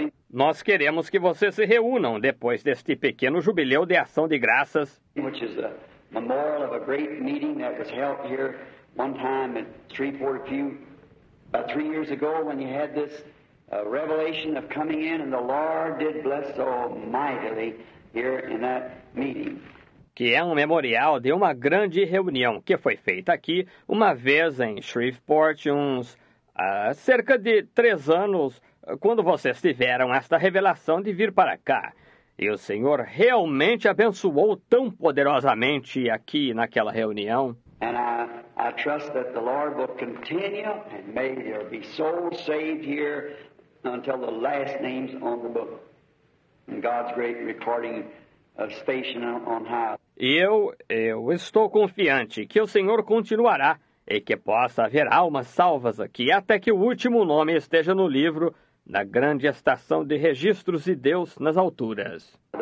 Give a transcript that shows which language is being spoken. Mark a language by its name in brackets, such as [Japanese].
[Portuguese] Nós queremos que vocês se reúnam depois deste pequeno jubileu de ação de graças. [English] Which is a memorial of a great meeting that was held here one time at Shreveport Pew about 3 years ago when you had this revelation of coming in and the Lord did bless so mightily. Here in that meeting. [Portuguese] Que é um memorial de uma grande reunião que foi feita aqui uma vez em Shreveport, uns cerca de 3 anos, quando vocês tiveram esta revelação de vir para cá. E o Senhor realmente abençoou tão poderosamente aqui naquela reunião. [English] And I trust that the Lord will continue and may there be souls saved here until the last names on the book. God's great recording station on high. [Portuguese] Eu estou confiante que o Senhor continuará e que possa haver almas salvas aqui até que o último nome esteja no livro na grande estação de registros de Deus nas alturas.